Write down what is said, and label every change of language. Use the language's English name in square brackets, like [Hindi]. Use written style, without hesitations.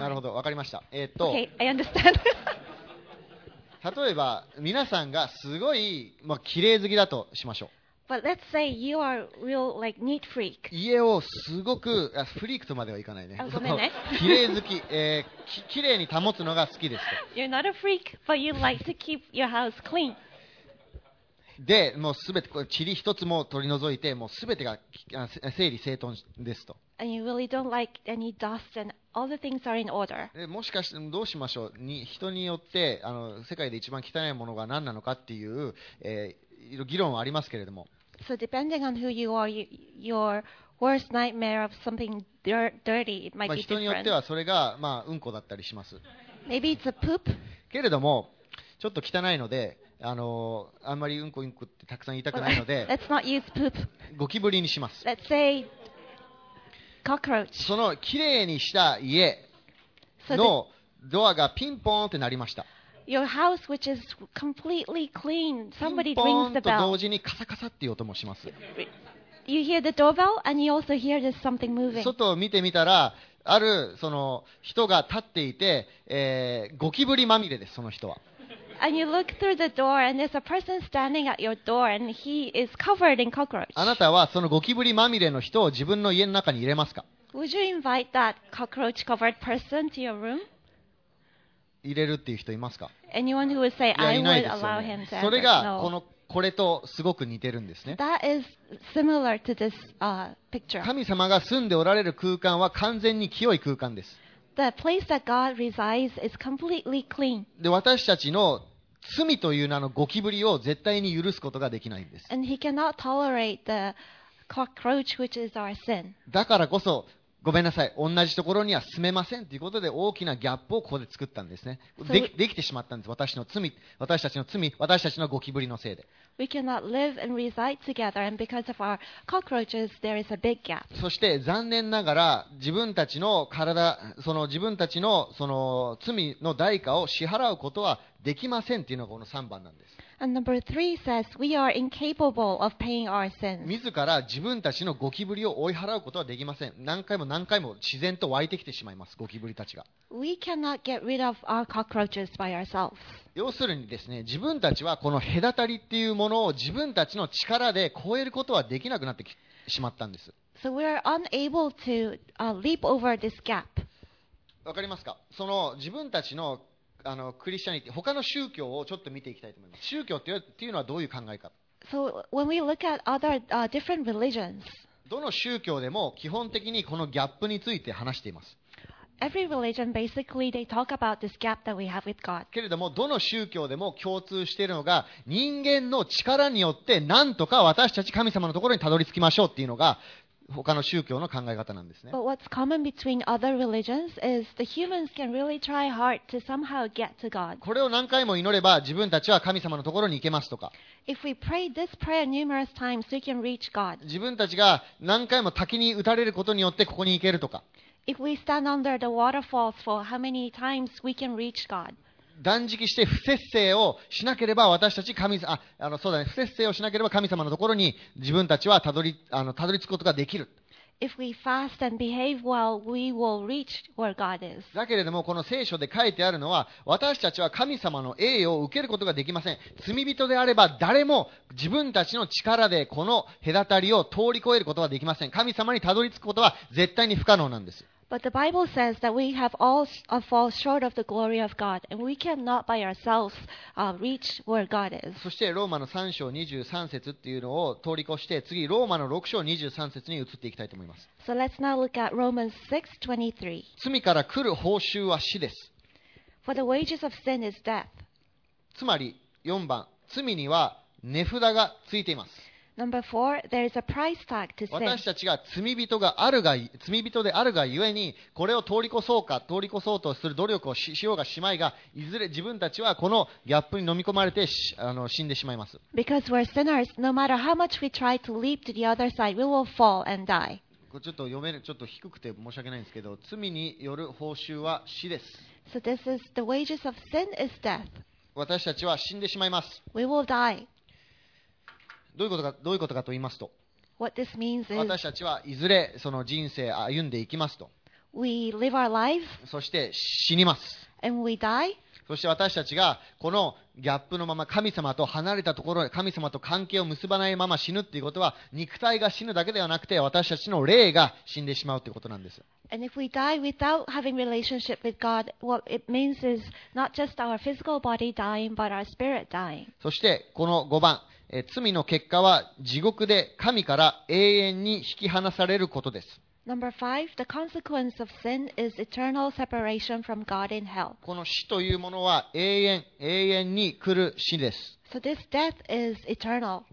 [Japanese] なるほど、わかりました。 [English] Okay, I understand. [Japanese] 例えば皆さんがすごい、まあ、綺麗好きだとしましょう。 [English] But let's say you are real, like, neat freak. [Japanese] 家をすごくフリークとまではいかないね。ごめんね。綺麗好き、綺麗に保つのが好きですと。 [English] You're not a freak, but you like to keep your house clean. [Japanese] で、もうすべて塵一つも取り除いて、もうすべてが整理整頓ですと。 [English] And you really don't like any dust and all the things are in order. [Japanese] もしかしてどうしましょう。人によって世界で一番汚いものが何なのかっていう、議論はありますけれども。 [English] So depending on who you are, your worst nightmare of something dirty might be different. [Japanese] 人によってはそれがまあうんこだったりします。 [English] Maybe it's a poop. [Japanese] けれども、ちょっと汚いので、あんまりうんこうんこってたくさん言いたくないので、 [English] Let's not use poop. [Japanese] ゴキブリにします。 [English] Let's say cockroach. [Japanese] そのきれいにした家のドアがピンポーンって鳴りました。 [English] Your house, which is completely clean, somebody the bell. ピンポーン [Japanese] と同時にカサカサっていう音もします。 [English] You hear the doorbell and you also hear there's something moving. [Japanese] 外を見てみたら、あるその人が立っていて、ゴキブリまみれです、その人は。 [English] And you look through the door and there's a person standing at your door and he is covered in cockroach. [Japanese] あなたはそのゴキブリまみれの人を自分の家の中に入れますか？ [English] Would you invite that cockroach covered person to your room? [Japanese] 入れるっていう人いますか？ [English] Anyone who would say I would allow him to enter? [Japanese] いないですよね。それがこの、これとすごく似てるんですね。 [English] That is similar to this, picture. [Japanese] 神様が住んでおられる空間は完全に清い空間です。 [English] The place that God resides is completely clean. [Japanese] で、私たちの罪という名のゴキブリを絶対に許すことができないんです。 [English] And he cannot tolerate the cockroach, which is our sin. [Japanese] だからこそ、ごめんなさい、同じところには住めませんということで大きなギャップをここで作ったんですね。できてしまったんです。私たちの罪、私たちのゴキブリのせいで。 [English] We cannot live and reside together, and because of our cockroaches, there is a big gap. [Japanese] そして残念ながら自分たちの体、その自分たちのその罪の代価を支払うことはできませんというのがこの3番なんです。 [English] And number three says we are incapable of paying our sins. [Japanese] 自ら自分たちのゴキブリを追い払うことはできません。何回も何回も自然と湧いてきてしまいます。ゴキブリたちが。 [English] We cannot get rid of our cockroaches by ourselves. [Japanese] 要するにですね、自分たちはこの隔たりっていうものを自分たちの力で超えることはできなくなってしまったんです。 [English] So we are unable to leap over this gap. [Japanese] わかりますか？その自分たちのクリスチャニティ、他の宗教をちょっと見ていきたいと思います。宗教っていうのはどういう考えか。 [English] So when we look at other different religions, [Japanese] どの宗教でも基本的にこのギャップについて話しています。 [English] Every religion basically they talk about this gap that we have with God. [Japanese] けれどもどの宗教でも共通しているのが人間の力によってなんとか私たち神様のところにたどり着きましょうっていうのが他の宗教の考え方なんですね。 [English] But what's common between other religions is the humans can really try hard to somehow get to God. [Japanese] これを何回も祈れば自分たちは神様のところに行けますとか。 [English] If we pray this prayer numerous times, we can reach God. [Japanese] 自分たちが何回も滝に打たれることによってここに行けるとか。 [English] If we stand under the waterfalls for how many times we can reach God. [Japanese] 断食して不節制をしなければ私たち神様、そうだね、不節制をしなければ神様のところに自分たちはたどり着くことができる。 [English] If we fast and behave well, we will reach where God is. [Japanese] だけれどもこの聖書で書いてあるのは私たちは神様の栄誉を受けることができません。罪人であれば誰も自分たちの力でこの隔たりを通り越えることはできません。神様にたどり着くことは絶対に不可能なんです。 [English] But the Bible says that we have all fall short of the glory of God, and we cannot by ourselves reach where God is. [Japanese] そしてローマの3章23節っていうのを通り越して、次ローマの6章23節に移っていきたいと思います。 [English] So let's now look at Romans 6:23. [Japanese] 罪から来る報酬は死です。 [English] For the wages of sin is death. [Japanese] つまり4番、罪には値札がついています。 [English] Number four, there is a price tag to sin. [Japanese] 私たちが罪人であるがゆえに、これを通り越そうか、通り越そうとする努力をしようがしまいが、いずれ自分たちはこのギャップに飲み込まれて死んでしまいます。 [English] Because we're sinners, no matter how much we try to leap to the other side, we will fall and die. [Japanese] これちょっと読める、ちょっと低くて申し訳ないんですけど、罪による報酬は死です。 [English] So this is the wages of sin is death. [Japanese] 私たちは死んでしまいます。 [English] We will die. [Japanese] どういうことかと言いますと、 [English] What this means is, [Japanese] 私たちはいずれその人生歩んでいきますと、 [English] we live our lives, [Japanese] そして死にます。 [English] And we die. [Japanese] そして私たちがこのギャップのまま神様と離れたところで神様と関係を結ばないまま死ぬっていうことは、肉体が死ぬだけではなくて私たちの霊が死んでしまうということなんです。 [English] And if we die without having relationship with God, what it means is not just our physical body dying, but our spirit dying. [Japanese] そしてこの5番。罪の結果は地獄で神から永遠に引き離されることです。 [English] Number five, the consequence of sin is eternal separation from God in hell. [Japanese] この死というものは永遠に来る死です。 [English] So this death is eternal.